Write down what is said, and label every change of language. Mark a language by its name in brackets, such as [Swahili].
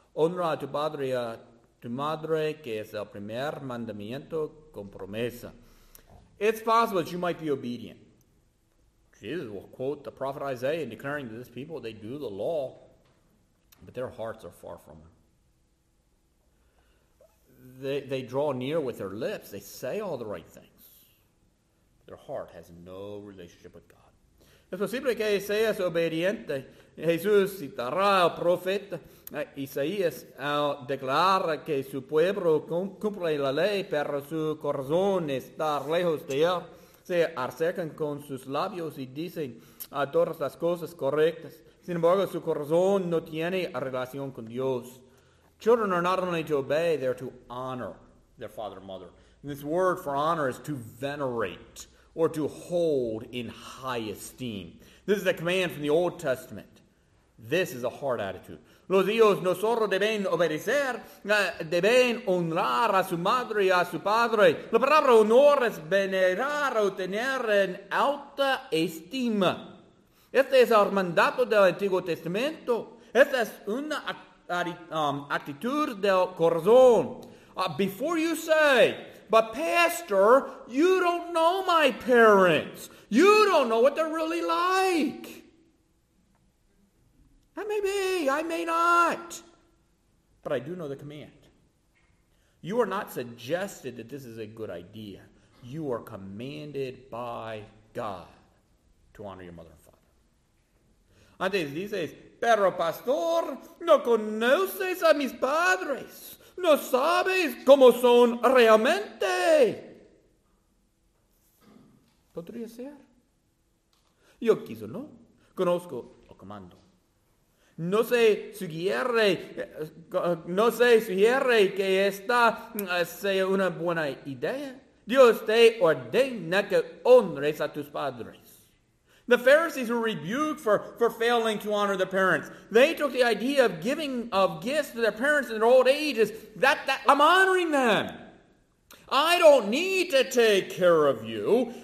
[Spanish] Honra a tu padre y a tu madre, que es el primer mandamiento con promesa. [English] It's possible that you might be obedient. Jesus will quote the prophet Isaiah in declaring to this people they do the law, but their hearts are far from him. They draw near with their lips. They say all the right things. Their heart has no relationship with God. [Spanish] Es posible que seas obediente. Jesús citará al profeta Isaías al declarar que su pueblo cumple la ley, pero su corazón está lejos de él. Se acercan con sus labios y dicen a todas las cosas correctas. Sin embargo, su corazón no tiene relación con Dios. [English] Children are not only to obey, they are to honor their father and mother. And this word for honor is to venerate or to hold in high esteem. This is a command from the Old Testament. This is a hard attitude. [Spanish] Los hijos no solo deben obedecer, deben honrar a su madre y a su padre. La palabra honor es venerar o tener en alta estima. Este es el mandato del Antiguo Testamento. Esta es una actitud del corazón. [English] Before you say, but pastor, you don't know my parents. You don't know what they're really like. I may be, I may not. But I do know the command. You are not suggested that this is a good idea. You are commanded by God to honor your mother and father. [Spanish] Antes dice, pero pastor, no conoces a mis padres. No sabes cómo son realmente. ¿Podría ser? Yo quizá no. Conozco o comando. No se sugiere que esta sea una buena idea. Dios te ordena que honres a tus padres. [English] The Pharisees were rebuked for failing to honor their parents. They took the idea of giving of gifts to their parents in their old ages. That I'm honoring them. I don't need to take care of you.